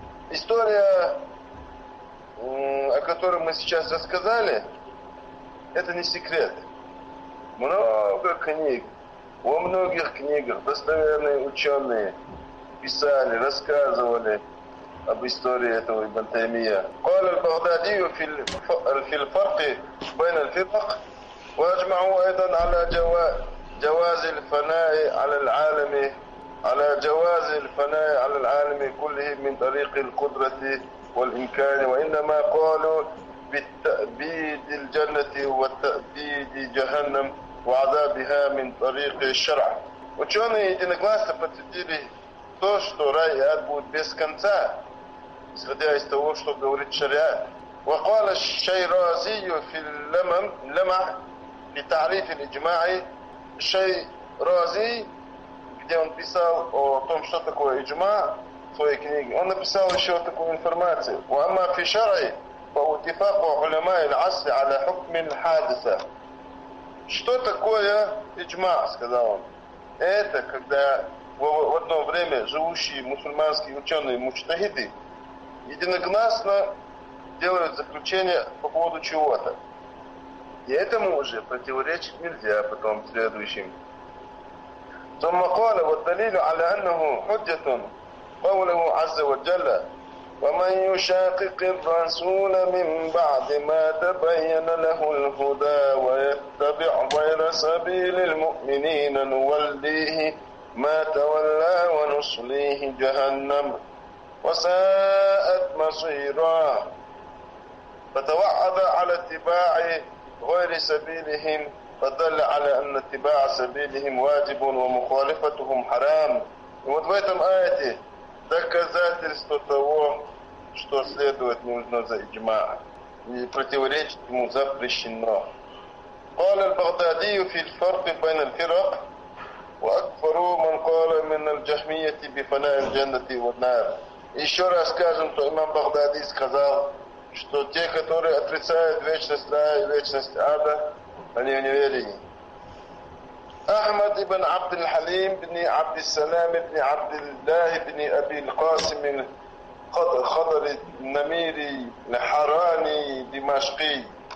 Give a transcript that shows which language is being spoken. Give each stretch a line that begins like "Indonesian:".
Russian: История, о которой мы сейчас рассказали, это не секрет. Много книг, во многих книгах достоверные ученые писали, рассказывали об истории этого Ибн Таймия.
Arabic: قال البغدادي في الفرق بين الفرق واجمعوا ايضا على جواز الفناء على العالم على جواز الفناء على العالم كله من طريق القدرة والإمكان وإنما قالوا بالتأبيد الجنة والتأبيد جهنم وعذابها من طريق الشرع.
Russian: Ученые единогласно подтвердили то, что рай и ад будут без конца, исходя из того, что говорит шариат.
Arabic: وقال الشيرازي في اللمع في تعريف الإجماع الشيرازي,
Russian: где он писал о том, что такое иджма в своей книге, он написал еще такую информацию.
Arabic: وأما في شرعي فاتفاق علماء العصر على حكم الحادثة.
Russian: Что такое иджма, сказал он? Это когда в одно время живущие мусульманские ученые, мучтахиды, единогласно делают заключение по поводу чего-то. И этому уже противоречить нельзя потом следующим.
Arabic: ثم قال والدليل على أنه حجة قوله عز وجل ومن يشاقق الرسول من بعد ما تبين له الهدى ويتبع غير سبيل المؤمنين نوليه ما تولى ونصليه جهنم وساءت مصيرا فتوعد على اتباع غير سبيلهم فدل على أن اتباع سبيلهم واجب ومخالفتهم حرام
Russian: И вот в этом аяте доказательство того, что следовать нужно за иджма, и противоречить ему запрещено.
Arabic: قال البغدادي في الفرق بين الفرق واكثر من قال من الجهمية بفناء الجنة والنار.
Russian: Еще раз скажем, что имам Багдади сказал, что те, которые отрицают вечность рая и вечность ада, они в неверии. Ахмад ибн Абдул-Халим ибн Абдул-Салам ибн Абдул-Лах ибн Абдул-Касим ибн Намири ибн Димашки.